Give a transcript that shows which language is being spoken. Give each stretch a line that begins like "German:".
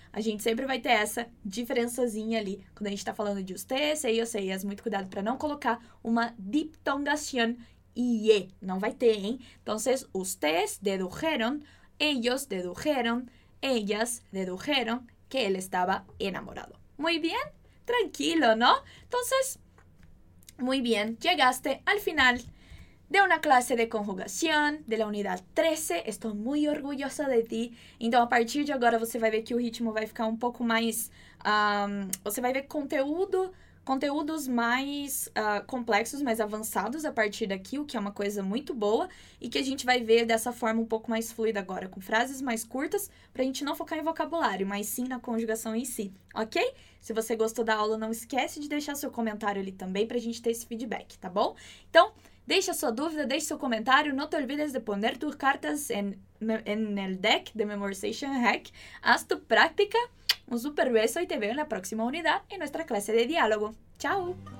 Portuguese: A gente sempre vai ter essa diferençazinha ali quando a gente tá falando de
Spanish: ustedes, ellos, ellas.
Portuguese: Muito cuidado para não colocar uma diptongación IE. Não vai ter, hein?
Spanish: Entonces, ustedes dedujeron, ellos dedujeron, ellas dedujeron que él estaba enamorado. Muy bien, tranquilo, ¿no? Entonces, muy bien, llegaste al final de una clase de conjugación de la unidad 13. Estoy muy orgullosa de ti.
Portuguese: Então, a partir de agora, você vai ver que o ritmo vai ficar um pouco mais... você vai ver conteúdos mais complexos, mais avançados a partir daqui, o que é uma coisa muito boa, e que a gente vai ver dessa forma um pouco mais fluida agora, com frases mais curtas, pra gente não focar em vocabulário, mas sim na conjugação em si, ok? Se você gostou da aula, não esquece de deixar seu comentário ali também pra gente ter esse feedback, tá bom? Então, deixa sua dúvida, deixe seu comentário, não
Spanish: te olvides de poner tus cartas en el deck de Memorization Hack. Haz tu práctica. Un super beso y te veo en la próxima unidad en nuestra clase de diálogo. ¡Chao!